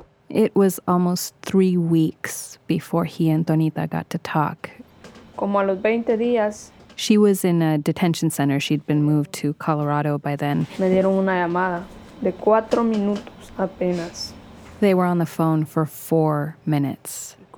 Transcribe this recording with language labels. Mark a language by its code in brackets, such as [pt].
[en] It was almost 3 weeks before he and Tonita got to talk. [es] Como a los 20 días. [en] She was in a detention center. She'd been moved to Colorado by then. [es] Me dieron una llamada de 4 minutos apenas. [en] They were on the phone for 4 minutes.